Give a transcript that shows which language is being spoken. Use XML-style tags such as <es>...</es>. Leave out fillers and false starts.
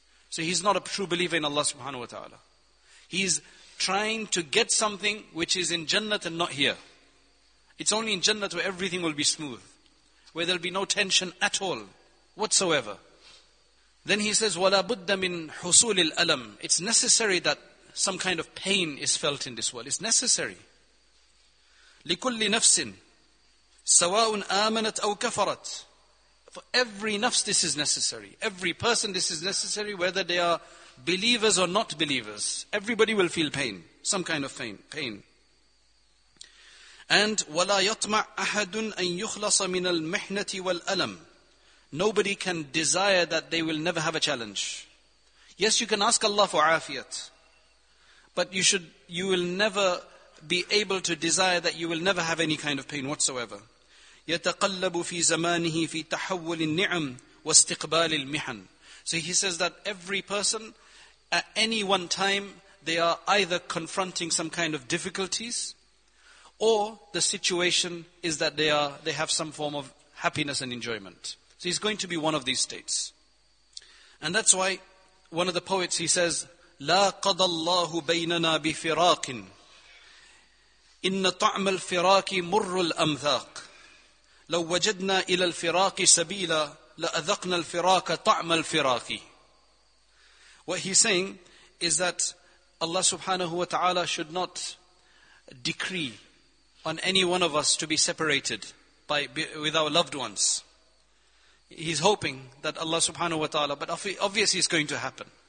<en>So he's not a true believer in Allah subhanahu wa ta'ala. He's trying to get something which is in Jannat and not here. It's only in Jannat where everything will be smooth, where there'll be no tension at all, whatsoever. Then he says,</en> <ar>وَلَا بُدَّ مِنْ حُصُولِ الْأَلَمِ.</ar> <en>It's necessary that some kind of pain is felt in this world. It's necessary.</en> <ar>لكل نفس سواء آمنت أو كفرت.</ar> <en>For every nafs, this is necessary. Every person, this is necessary, whether they are believers or not believers. Everybody will feel pain, some kind of pain.</en> <ar>And وَلَا يَطْمَعْ أَحَدٌ أَن يُخْلَصَ مِنَ الْمِحْنَةِ وَالْأَلَمِ.</ar> <en>Nobody can desire that they will never have a challenge. Yes, you can ask Allah for afiyat, but you will never be able to desire that you will never have any kind of pain whatsoever.</en> <ar>يَتَقَلَّبُ فِي زَمَانِهِ فِي تَحَوُّلِ النِّعَمِ وَاسْتِقْبَالِ الْمِحَنِ.</ar> <en>So he says that every person, at any one time, they are either confronting some kind of difficulties, or the situation is that they have some form of happiness and enjoyment. So he's going to be one of these states. And that's why one of the poets, he says,</en> <ar>لَا قَضَى اللَّهُ بَيْنَنَا بِفِرَاقٍ إِنَّ طَعْمَ الْفِرَاقِ مُرُّ الْأَمْثَاقِ لَوْ وَجَدْنَا إِلَى الْفِرَاقِ سَبِيلًا لَأَذَقْنَا الْفِرَاقَ طَعْمَ الْفِرَاقِ.</ar> <en>What he's saying is that Allah subhanahu wa ta'ala should not decree on any one of us to be separated with our loved ones. He's hoping that Allah subhanahu wa ta'ala, but obviously it's going to happen.</en>